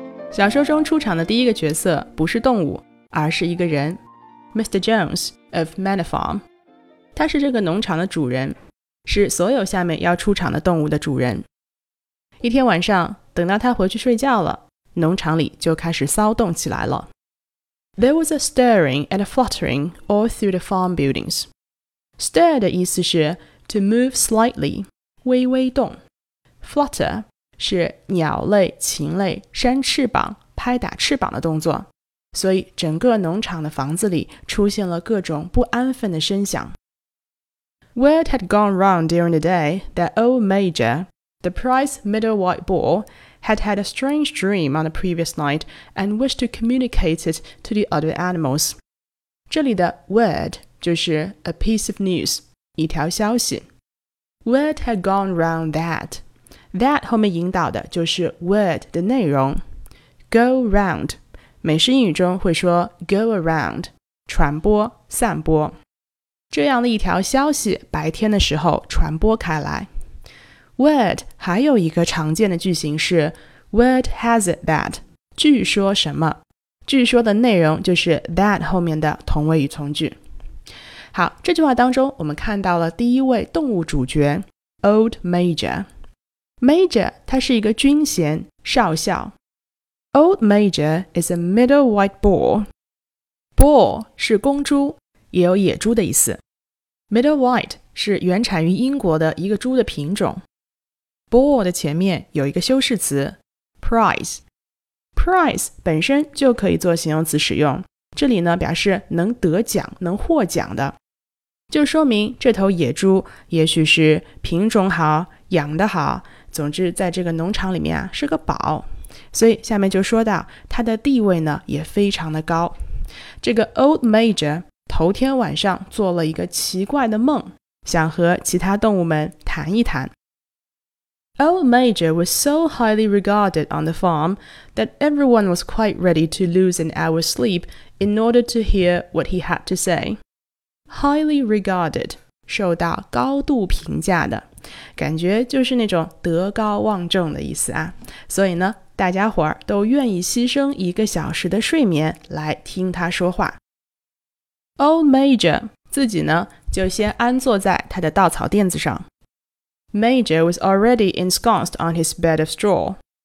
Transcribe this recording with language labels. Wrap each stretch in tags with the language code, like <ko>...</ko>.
<zh>小说中出场的第一个角色不是动物，而是一个人 Mr.</zh> <en>Jones of Manor Farm。</en> <zh>他是这个农场的主人，是所有下面要出场的动物的主人。一天晚上，等到他回去睡觉了，农场里就开始骚动起来了。</zh> <en>There was a stirring and a fluttering all through the farm buildings.</en> <zh>Stir 的意思是</zh> <en>to move slightly,</en> <zh>微微动。 Flutter 是鸟类、禽类扇翅膀、拍打翅膀的动作。所以整个农场的房子里出现了各种不安分的声响。</zh> <en>Word had gone round during the day that old Major, the prize middle white boar,had had a strange dream on the previous night and wished to communicate it to the other animals.</en> <zh>这里的 word 就是</zh> <en>a piece of news,</en> <zh>一条消息。</zh> <en>Word had gone round that.</en> <zh>That 后面引导的就是 word 的内容。Go round, 美式英语中会说 go around, 传播、散播。这样的一条消息白天的时候传播开来。 Word 还有一个常见的句型是</zh> <en>Word has it that</en> <zh>据说什么，据说的内容就是 that 后面的同位语从句。好，这句话当中我们看到了第一位动物主角 Old Major。 Major 他是一个军衔少校。</zh> <en>Old Major is a middle white boar.</en> <zh>Boar 是公猪，也有野猪的意思。Middle white 是原产于英国的一个猪的品种。 Boar 的前面有一个修饰词 prize。 prize 本身就可以做形容词使用，这里呢表示能得奖、能获奖的，就说明这头野猪也许是品种好、养得好，总之在这个农场里面啊是个宝。所以下面就说到它的地位呢也非常的高。这个 Old Major 头天晚上做了一个奇怪的梦，想和其他动物们谈一谈。</zh> <en>Old Major was so highly regarded on the farm that everyone was quite ready to lose an hour's sleep in order to hear what he had to say. Highly regarded,</en> <zh>受到高度评价的，感觉就是那种德高望重的意思啊。所以呢，大家伙儿都愿意牺牲一个小时的睡眠来听他说话。 Old Major 自己呢，就先安坐在他的稻草垫子上。</zh> <en>Major was already ensconced on his bed of straw.</en>